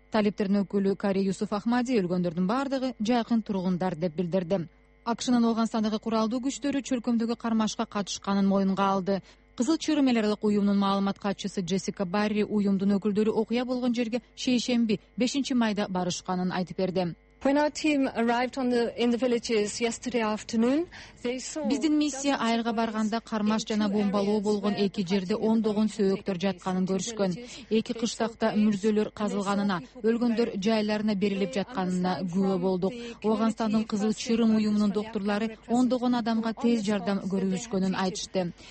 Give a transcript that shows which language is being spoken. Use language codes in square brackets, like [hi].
[ky] Талиптердин өкүлү Кари Юсуф Ахмади өлгөндөрдүн баардыгы жакын тургундар деп билдирди. АКШнын Афганистандагы куралдуу күчтөрү чөлкөмдөгү кармашка катышканын моюнга алды. Кызыл чөйрөмөлөрлүк уюмунун маалымат катчысы Джессика Барри уюмдун өкүлдөрү окуя болгон жерге шейшемби 5 майда барышканын айтып берди. [en] When our team arrived in the villages yesterday afternoon, they saw. [ky] Биздин миссия айылга барганда кармаш жана бомбалоо болгон эки жерде ондогон сөөктөр жатканын көрүшкөн. Эки кыштакта мүрзөлөр казылганына, өлгөндөр жайларына берилип жатканына күбө болдук. Афганстандын Кызыл Чырым уюмунун доктурлары ондогон адамга тез жардам көрүшкөнүн айтышты.